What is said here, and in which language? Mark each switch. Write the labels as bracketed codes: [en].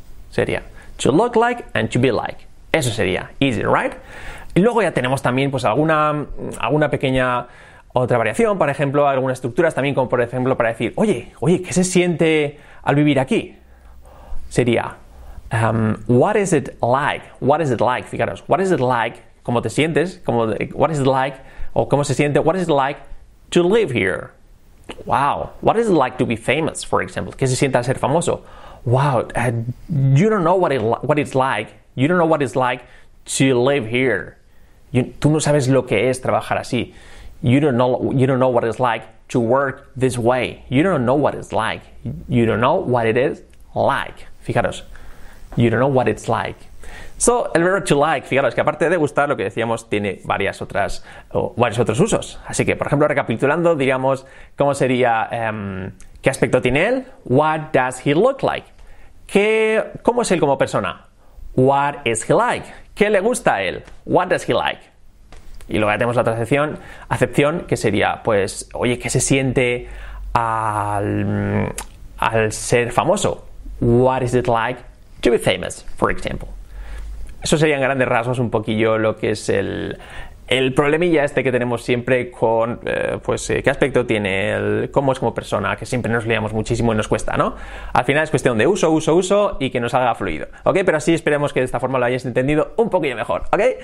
[es] Sería [en] to look like and to be like. [es] Eso sería. [en] Easy, right? [es] Y luego ya tenemos también pues alguna pequeña otra variación, por ejemplo, algunas estructuras también, como por ejemplo para decir, oye, ¿qué se siente al vivir aquí? Sería, [en] what is it like? What is it like? [es] Fijaros, [en] what is it like? [es] ¿Cómo te sientes? [en] What is it like? [es] O ¿cómo se siente? [en] What is it like to live here? Wow. What is it like to be famous, for example? [es] ¿Qué se siente al ser famoso? [en] Wow. You don't know what it's like. You don't know what it's like to live here. [es] Tú no sabes lo que es trabajar así. [en] You don't know what it's like to work this way. You don't know what it's like. You don't know what it is like. [es] Fijaros. [en] You don't know what it's like. [es] So, el verbo to like, fijaros, que aparte de gustar, lo que decíamos, tiene varios otros usos. Así que, por ejemplo, recapitulando, diríamos, ¿cómo sería? ¿Qué aspecto tiene él? [en] What does he look like? [es] ¿Cómo es él como persona? [en] What is he like? [es] ¿Qué le gusta a él? [en] What does he like? [es] Y luego ya tenemos la otra acepción, que sería, pues, oye, ¿qué se siente al ser famoso? [en] What is it like to be famous, for example? [es] Eso serían grandes rasgos un poquillo lo que es el problemilla este que tenemos siempre con, qué aspecto tiene él, cómo es como persona, que siempre nos liamos muchísimo y nos cuesta, ¿no? Al final es cuestión de uso y que nos salga fluido, ¿ok? Pero así esperemos que de esta forma lo hayáis entendido un poquillo mejor, ¿ok?